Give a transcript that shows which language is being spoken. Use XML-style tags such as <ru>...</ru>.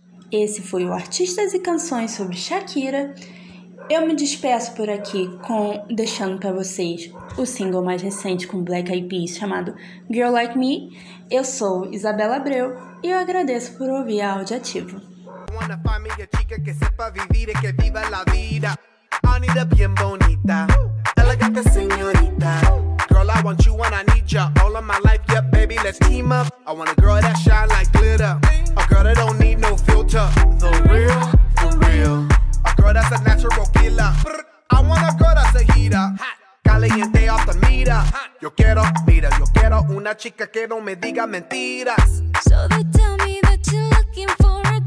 <pt>Esse foi o Artistas e Canções sobre Shakira. Eu me despeço por aqui deixando para vocês o single mais recente com Black Eyed Peas chamado Girl Like Me. Eu sou Isabela Abreu e eu agradeço por ouvir a Áudio Ativo.</pt> <es>Una familia chica que sepa vivir y que viva la vida. Anita bien bonita, elegante señorita.</es> <en>Girl, I want you when I need ya. All of my life, yeah, baby, let's team up. I want a girl that shine like glitter. A girl that don't need no filter. The real, the real. A girl that's a natural killer. I want a girl that's a heater. Caliente off the meter.</en> <es>Yo quiero, mira, yo quiero una chica que no me diga mentiras.</es> <en>So they tell me that you're looking for.</en>